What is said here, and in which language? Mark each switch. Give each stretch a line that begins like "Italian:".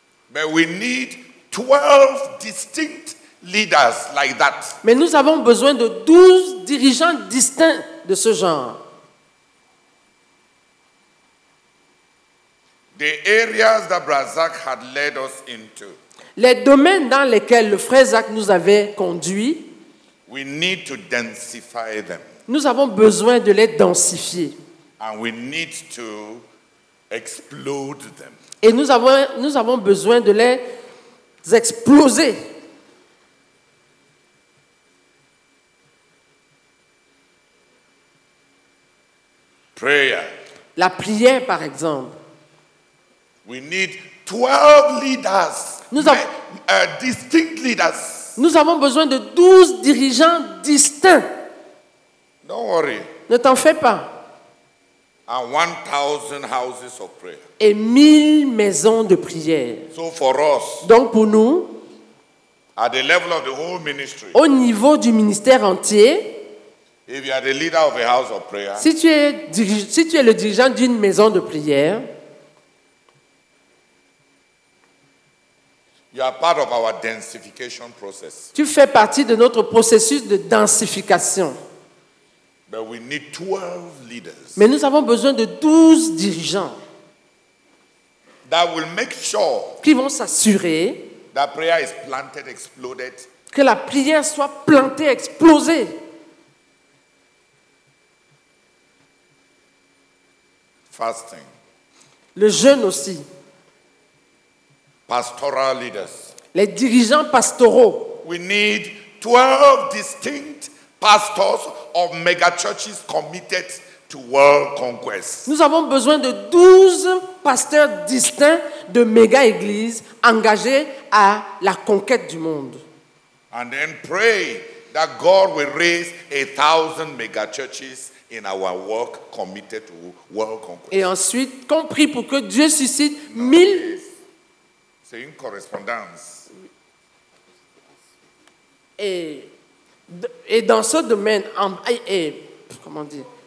English: But we need 12 distinct leaders like that.
French: Mais nous avons besoin de 12 dirigeants distincts de ce genre.
English: The areas that Brazak had led us into.
French: Les domaines dans lesquels le frère Zach nous avait conduits.
English: We need to densify them.
French: Nous avons besoin de les densifier.
English: And we need to explode them.
French: Et nous avons besoin de les exploser.
English: Prayer.
French: La prière, par exemple.
English: We need 12 leaders. Distinct leaders.
French: Nous avons besoin de 12 dirigeants distincts.
English: Don't worry.
French: Ne t'en fais pas.
English: And 1,000 houses of prayer.
French: Et 1,000 maisons de prière.
English: So for us.
French: Donc pour nous.
English: At the level of the whole ministry.
French: Au niveau du ministère entier.
English: If you are the leader of a house of prayer.
French: Si tu es le dirigeant d'une maison de prière.
English: You are part of our densification process.
French: Tu fais partie de notre processus de densification.
English: But we need 12 leaders.
French: Mais nous avons besoin de 12 dirigeants.
English: That will make sure.
French: Qui vont s'assurer.
English: That prayer is planted, exploded.
French: Que la prière soit plantée, explosée.
English: Fasting.
French: Le jeûne aussi.
English: Pastoral leaders.
French: Les dirigeants pastoraux.
English: We need 12 distinct pastors of mega churches committed to world conquest.
French: Nous avons besoin de 12 pasteurs distincts de méga églises engagés à la conquête du monde.
English: And then pray that God will raise 1,000 mega churches in our work committed to world conquest.
French: Et ensuite, qu'on prie pour que Dieu suscite 1,000. C'est une correspondance. Et dans ce domaine, comment dire?